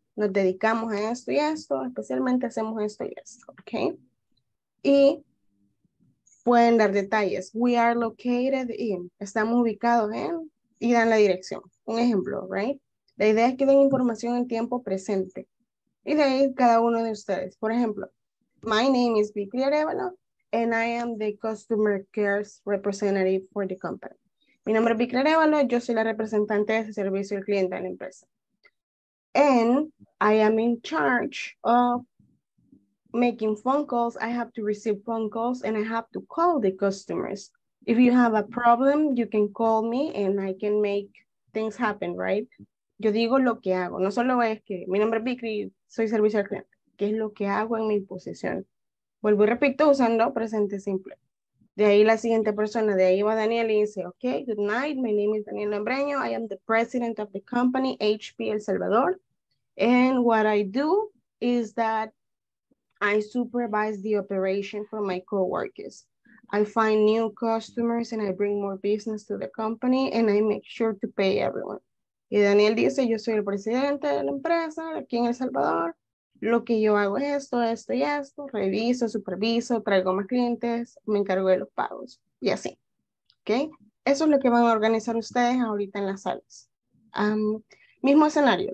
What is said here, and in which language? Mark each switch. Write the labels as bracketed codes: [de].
[es] Nos dedicamos a esto y a esto, especialmente hacemos esto y esto, okay? Y pueden dar detalles. [en] We are located in, [es] estamos ubicados en, y dan la dirección. Un ejemplo, right? La idea es que den información en tiempo presente. Y de ahí cada uno de ustedes. Por ejemplo, [en] my name is [es] Vicky Arevalo. [en] And I am the customer care representative for the company. [es] Mi nombre es [en] Vicky Arevalo. [es] Yo soy la representante de servicio al cliente de la empresa. [en] And I am in charge of making phone calls, I have to receive phone calls and I have to call the customers. If you have a problem, you can call me and I can make things happen, right? [es] Yo digo lo que hago. No solo es que mi nombre es Vicky, soy servicio al cliente. ¿Qué es lo que hago en mi posición? Vuelvo y repito usando presente simple. De ahí la siguiente persona, de ahí va Daniel y dice, [en] okay, good night, my name is Daniel Lambreño, I am the president of the company, HP El Salvador, and what I do is that I supervise the operation for my coworkers. I find new customers and I bring more business to the company and I make sure to pay everyone. [es] Y Daniel dice, yo soy el presidente de la empresa aquí en El Salvador. Lo que yo hago es esto, esto y esto. Reviso, superviso, traigo más clientes, me encargo de los pagos. Y así. ¿Okay? Eso es lo que van a organizar ustedes ahorita en las salas. Mismo escenario.